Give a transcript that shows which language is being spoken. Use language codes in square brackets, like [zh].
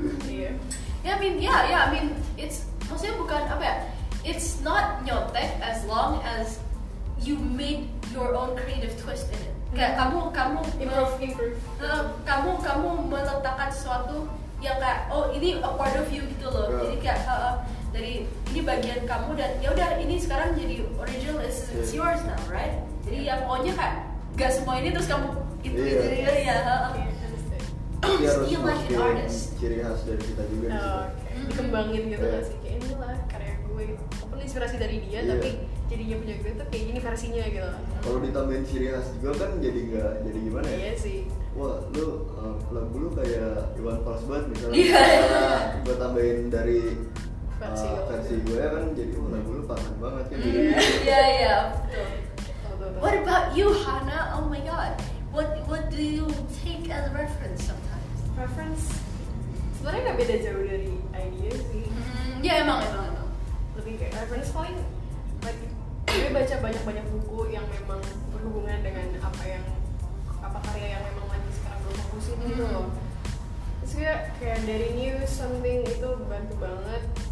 [en] Iya, I mean, it's [id] maksudnya bukan apa ya, [en] it's not nyontek as long as you made your own creative twist in it. [id] Kayak kamu improve, kamu meletakkan sesuatu yang kayak oh ini [en] a part of you [id] gitu loh, yeah. Jadi kayak dari ini bagian kamu dan ya udah ini sekarang jadi [en] original is it's yours now, right? [id] Jadi yang maunya kayak gak semua ini terus kamu gitu gitu ya, ya harus masukin ciri khas dari kita juga, dikembangin gitu kan sih, kayak inilah karya gue, apapun inspirasi dari dia, tapi jadinya punya gue tuh kayak gini versinya gitu. Kalau ditambahin ciri khas juga kan jadi enggak, jadi gimana ya? Iya sih. Wah, lu lagu lu kayak Iwan Fals banget misalnya. Iya. Yeah. Gue tambahin dari versi gue kan jadi lagu lu pas banget kan. Iya, iya. [en] What about you, Hana? Oh my god. What do you take as reference sometimes? Reference? [id] Sebenarnya enggak beda jauh dari idea sih. Ya emang. Lebih kayak reference point. Gue baca banyak buku yang memang berhubungan dengan apa karya yang memang lagi sekarang gue fokusin gitu loh. Terus gue kayak dari news something itu bantu banget.